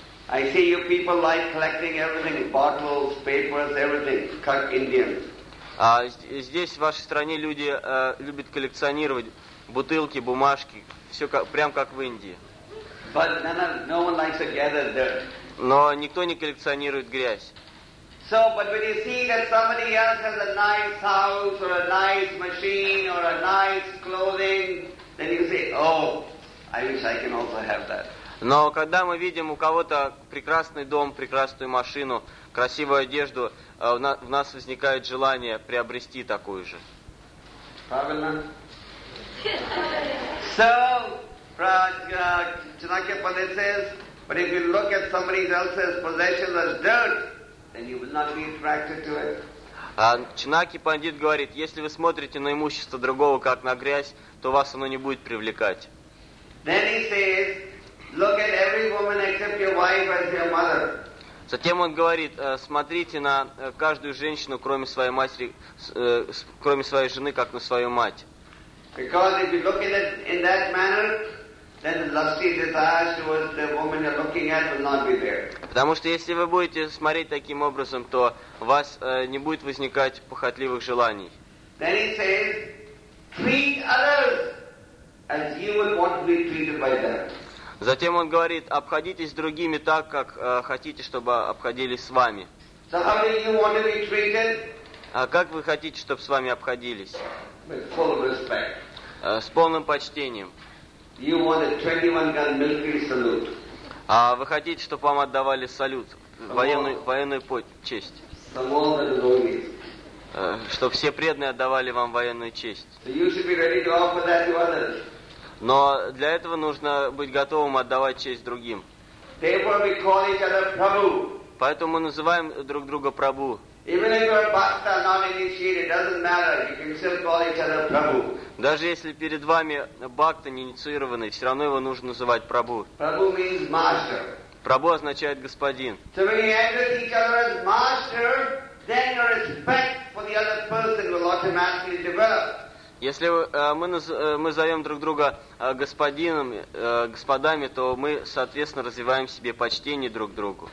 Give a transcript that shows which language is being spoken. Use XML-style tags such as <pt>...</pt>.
<en>I see you people like collecting everything, bottles, papers, everything, cut Indian.</en> <ru>А здесь в вашей стране люди любят коллекционировать бутылки, бумажки, все как, прям как в Индии.</ru> <en>But no one likes to gather dirt.</en> <ru>Но никто не коллекционирует грязь.</ru> <en>So, but when you see that somebody else has a nice house or a nice machine or a nice clothing, then you say, "Oh, I wish I can also have that."</en> <ru>Но когда мы видим у кого-то прекрасный дом, прекрасную машину, красивую одежду, в нас возникает желание приобрести такую же. Правильно?</ru> <en>So, Chanakya Pandit says, but if you look at somebody else's possessions as dirt, then you will not be attracted to it.</en> <ru>Чанакья Пандит говорит, если вы смотрите на имущество другого как на грязь, то вас оно не будет привлекать.</ru> <en>Then he says, look at every woman except your wife as your mother.</en> <ru>Затем он говорит, смотрите на каждую женщину, кроме своей матери, кроме своей жены, как на свою мать.</ru> <en>Because if you look at it in that manner, then the lusty desire towards the woman you're looking at will not be there.</en> <ru>Потому что если вы будете смотреть таким образом, то у вас не будет возникать похотливых желаний.</ru> <en>Then he says, treat others as you would want to be treated by them.</en> <ru>Затем он говорит, обходитесь с другими так, как хотите, чтобы обходились с вами.</ru> <en>So how do you want to be treated?</en> <ru>А как вы хотите, чтобы с вами обходились?</ru> <en>With full respect.</en> <ru>С полным почтением.</ru> <en>You want a 21-gun military salute.</en> <ru>А вы хотите, чтобы вам отдавали салют, военную честь.</ru> <en>From all the devotees.</en> <ru>Чтобы все преданные отдавали вам военную честь.</ru> <en>So you should be ready to offer that to others.</en> <ru>Но для этого нужно быть готовым отдавать честь другим.</ru> <en>Therefore we call each other Prabhu.</en> <ru>Поэтому мы называем друг друга Прабу.</ru> <en>Even if you're a bhakta, not initiated, it doesn't matter. You can still call each other Prabhu.</en> <ru>Даже если перед вами бхакта не инициированный, все равно его нужно называть Прабу.</ru> <en>Prabhu means master.</en> <ru>Прабу означает господин.</ru> <en>So when you address each other as master, then your respect for the other person will automatically develop.</en> <ru>Если мы зовем друг друга господином, господами, то мы, соответственно, развиваем в себе почтение друг к другу.</ru>